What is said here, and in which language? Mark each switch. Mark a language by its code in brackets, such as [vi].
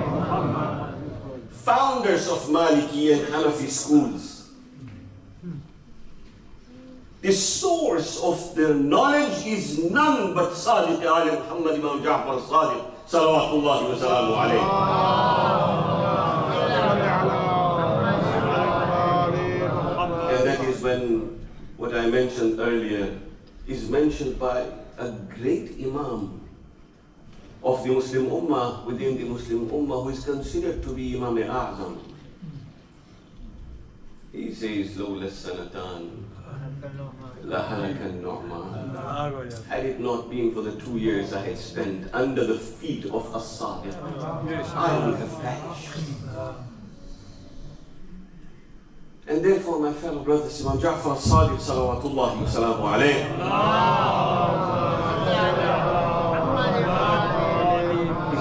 [en] Founders of Maliki and Hanafi schools, the source of their knowledge is none but Sadiq Ali Muhammad Imam Ja'far al-Sadiq, salawatullahi wa sallam. What I mentioned earlier is mentioned by a great imam of the Muslim Ummah, within the Muslim Ummah, who is considered to be Imam-e-A'zam. He says, [ar] لولا السنتان لحرك النعمان. [en] Had it not been for the 2 years I had spent under the feet of As-Sahib, I would have perished. And therefore, my fellow brothers, Imam Ja'far al-Sadiq, salawatullahi wa salamu alayhi. He